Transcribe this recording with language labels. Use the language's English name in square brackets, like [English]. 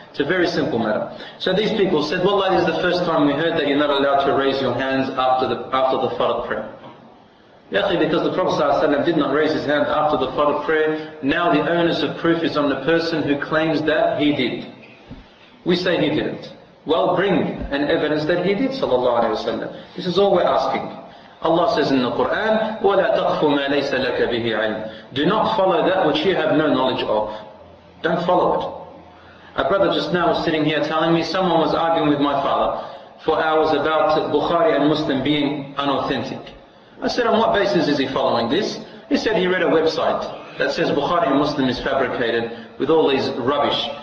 [English] It's a very simple matter. So these people said, wallah, this is the first time we heard that you're not allowed to raise your hands after the fard prayer. Ya akhi, because the Prophet ﷺ did not raise his hand after the fard prayer, now the onus of proof is on the person who claims that he did. We say he didn't. Well, bring an evidence that he did, sallallahu alayhi wa sallam. This is all we're asking. Allah says in the Quran, [Arabic] وَلَا تَقْفُ مَا لَيْسَ لَكَ بِهِ عِلْمٍ. [English] Do not follow that which you have no knowledge of. Don't follow it. A brother just now was sitting here telling me, someone was arguing with my father for hours about Bukhari and Muslim being unauthentic. I said, on what basis is he following this? He said he read a website that says Bukhari and Muslim is fabricated with all these rubbish.